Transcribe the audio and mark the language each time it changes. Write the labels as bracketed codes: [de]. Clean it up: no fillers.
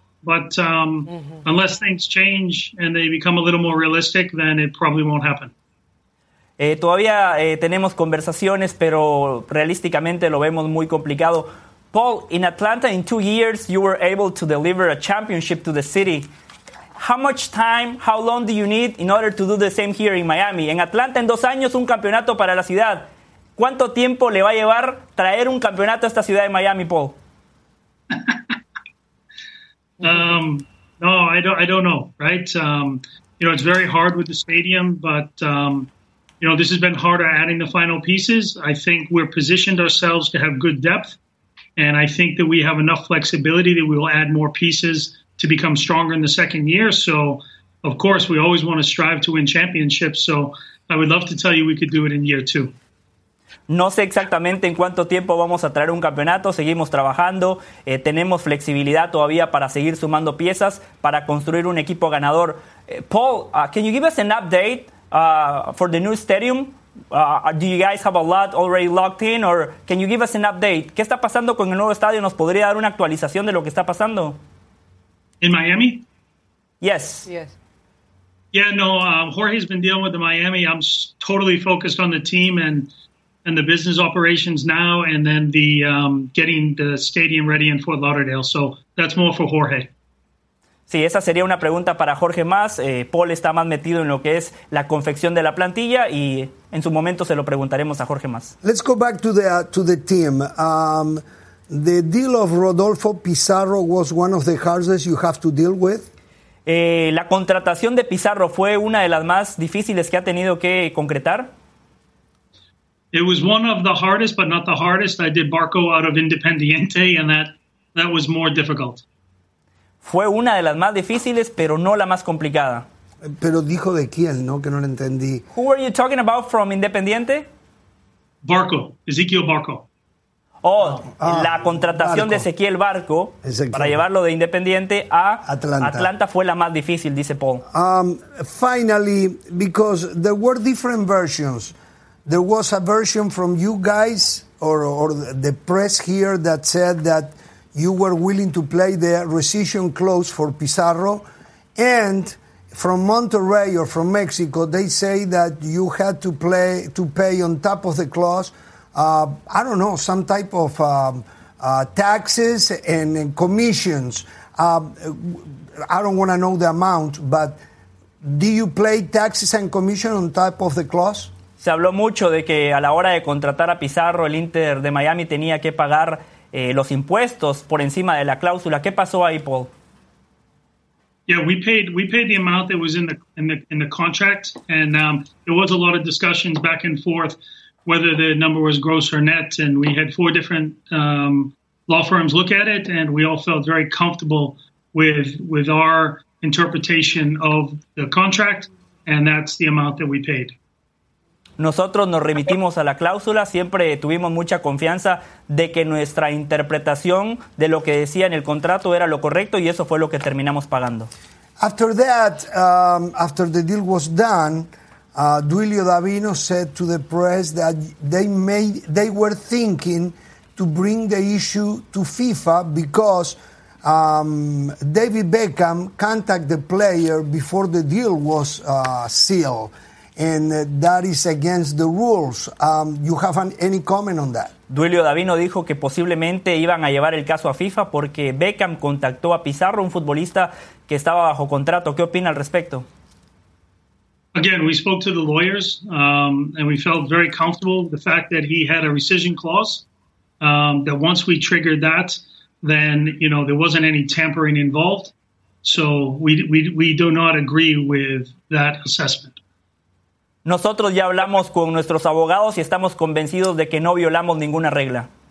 [en] But unless things change and they become a little more realistic, then it probably won't happen. [es] Todavía tenemos conversaciones, pero realísticamente lo vemos muy complicado. [en] Paul, in Atlanta, in 2 years, you were able to deliver a championship to the city. How much time, how long do you need in order to do the same here in Miami? [es] En Atlanta, en 2 años, un campeonato para la ciudad. ¿Cuánto tiempo le va a llevar traer un campeonato a esta ciudad de Miami, Paul? [en] No, I don't know, right? You know, it's very hard with the stadium, but... You know, this has been harder adding the final pieces. I think we're positioned ourselves to have good depth, and I think that we have enough flexibility that we will add more pieces to become stronger in the second year. So, of course, we always want to strive to win championships. So I would love to tell you we could do it in year 2. [es] No sé exactamente en cuánto tiempo vamos a traer un campeonato. Seguimos trabajando. Tenemos flexibilidad todavía para seguir sumando piezas para construir un equipo ganador. [en] Paul, can you give us an update for the new stadium? Do you guys have a lot already locked in, or can you give us an update? [es] ¿Qué está pasando con el nuevo estadio? ¿Nos podría dar una actualización de lo que está pasando? [en] In Miami? Yes. Yes. Yeah, no, Jorge's been dealing with the Miami. I'm totally focused on the team and the business operations now, and then the getting the stadium ready in Fort Lauderdale. So that's more for Jorge. [es] Sí, esa sería una pregunta para Jorge más. Paul está más metido en lo que es la confección de la plantilla y en su momento se lo preguntaremos a Jorge más. [en] Let's go back to the team. The deal of Rodolfo Pizarro was one of the hardest you have to deal with. [es] La contratación de Pizarro fue una de las más difíciles que ha tenido que concretar. [en] It was one of the hardest, but not the hardest. I did Barco out of Independiente, and that was more difficult. [es] Fue una de las más difíciles, pero no la más complicada. Pero dijo de quién, ¿no? Que no lo entendí. [en] Who are you talking about from Independiente? Barco, Ezequiel Barco. [es] Oh, la contratación Barco. De Ezequiel Barco Ezequiel. Para llevarlo de Independiente a Atlanta fue la más difícil, dice Paul. [en] Finally, because there were different versions. There was a version from you guys or the press here that said that you were willing to play the rescission clause for Pizarro. And from Monterrey or from Mexico, they say that you had to pay on top of the clause, I don't know, some type of taxes and commissions. I don't want to know the amount, but do you play taxes and commission on top of the clause? [es] Se habló mucho de que a la hora de contratar a Pizarro, el Inter de Miami tenía que pagar los impuestos por encima de la cláusula. ¿Qué pasó ahí, Paul? [en] Yeah, we paid the amount that was in the contract, and there was a lot of discussions back and forth whether the number was gross or net, and we had four different law firms look at it, and we all felt very comfortable with our interpretation of the contract, and that's the amount that we paid. [es] Nosotros nos remitimos a la cláusula, siempre tuvimos mucha confianza de que nuestra interpretación de lo que decía en el contrato era lo correcto y eso fue lo que terminamos pagando. [en] After that, after the deal was done, Duilio Davino said to the press that they were thinking to bring the issue to FIFA because David Beckham contacted the player before the deal was sealed. And that is against the rules. You have any comment on that? [es] Duilio Davino dijo que posiblemente iban a llevar el caso a FIFA porque Beckham contactó a Pizarro, un futbolista que estaba bajo contrato. ¿Qué opina al respecto? [en] Again, we spoke to the lawyers and we felt very comfortable with the fact that he had a rescission clause. That once we triggered that, then you know there wasn't any tampering involved. So we do not agree with that assessment. [es] Nosotros ya hablamos con nuestros abogados y estamos convencidos de que no violamos ninguna regla.